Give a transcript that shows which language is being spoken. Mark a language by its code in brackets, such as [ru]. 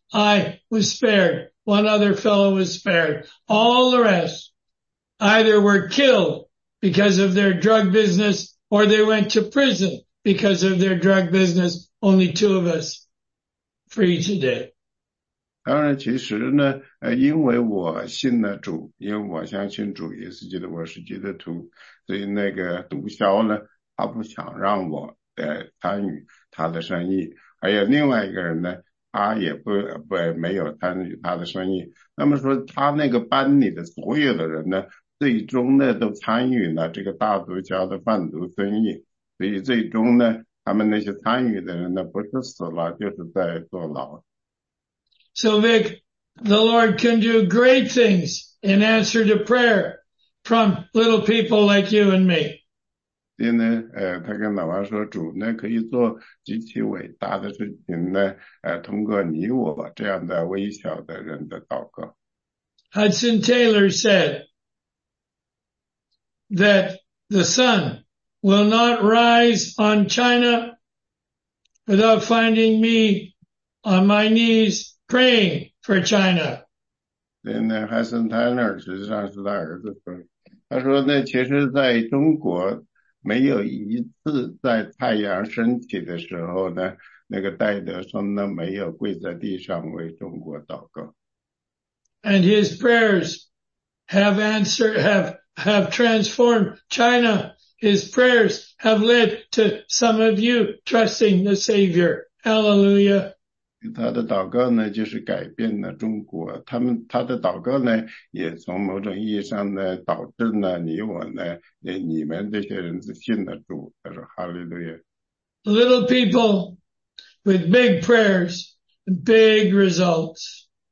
[en] I was spared. One other fellow was spared. All the rest either were killed because of their drug business or they went to prison because of their drug business, only two of us free today. [zh] 当然其实呢，因为我信了主，因为我相信主耶稣基督，我是基督徒，所以那个毒枭呢，他不想让我参与他的生意，还有另外一个人呢，他也不没有参与他的生意。那么说他那个班里的所有的人呢，最终呢都参与了这个大毒枭的贩毒生意，所以最终呢，他们那些参与的人呢，不是死了，就是在坐牢。 [en] So Vic, the Lord can do great things in answer to prayer from little people like you and me. [zh] 所以呢，他跟老王说，主呢可以做极其伟大的事情呢，通过你我这样的微小的人的祷告。 [en] Hudson Taylor said that the sun will not rise on China without finding me on my knees. Praying for China. Then [zh] Hudson Taylor, 实际上是他儿子说，他说呢，其实在中国没有一次在太阳升起的时候呢，那个戴德生呢没有跪在地上为中国祷告。 [en] And his prayers have answered, have transformed China. His prayers have led to some of you trusting the Savior. Hallelujah. [zh] 他的祷告呢，就是改变了中国。他的祷告呢，也从某种意义上呢，导致了你我呢，你们这些人是信了主。他说哈利路亚。 [en] Little people with big prayers, big results.